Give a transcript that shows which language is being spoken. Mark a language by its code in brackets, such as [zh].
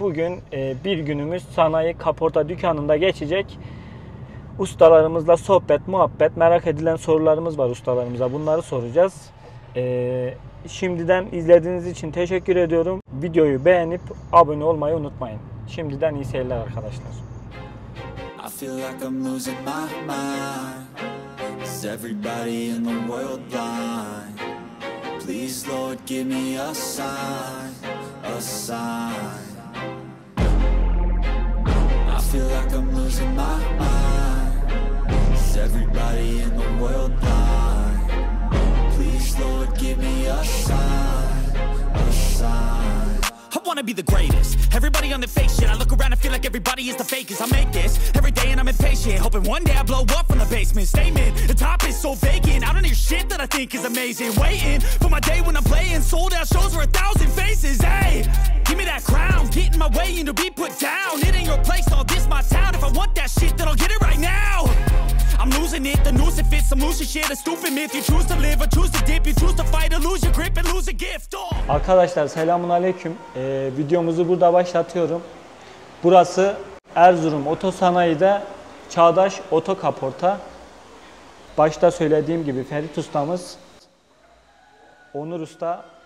[tr] Bugün bir günümüz sanayi kaporta dükkanında geçecek. Ustalarımızla sohbet, muhabbet, merak edilen sorularımız var ustalarımıza. Bunları soracağız. Şimdiden izlediğiniz için teşekkür ediyorum. Videoyu beğenip abone olmayı unutmayın. Şimdiden iyi seyirler arkadaşlar. [en] I feel like I'm losing my mind. Is everybody in the world blind? Please, Lord, give me a sign, a sign. I feel like I'm losing my mind. Is everybody in the world blind? Please, Lord, give me a sign, a sign. I wanna be the greatest. Everybody on the fake shit. I look around and feel like everybody is the fakest. I make this every day and I'm impatient, hoping one day I blow up from the basement. Statement, the top is so vacant. I don't hear shit that I think is amazing. Waiting for my day when I'm playing sold out shows for 1,000 faces. Hey, give me that crown. Get in my way and you'll be put down. It ain't your place, all this my town. If I want that shit, then I'll get it right now. I'm losing it. The noose it fits. Some loose shit. A stupid myth. You choose to live or choose to dip. You choose to fight or lose your grip and lose a gift. Oh. [tr] Arkadaşlar selamünaleyküm. Videomuzu burada başlatıyorum. Burası Erzurum Otosanayi'de Çağdaş Otokaporta. Başta söylediğim gibi Ferit ustamız, Onur usta.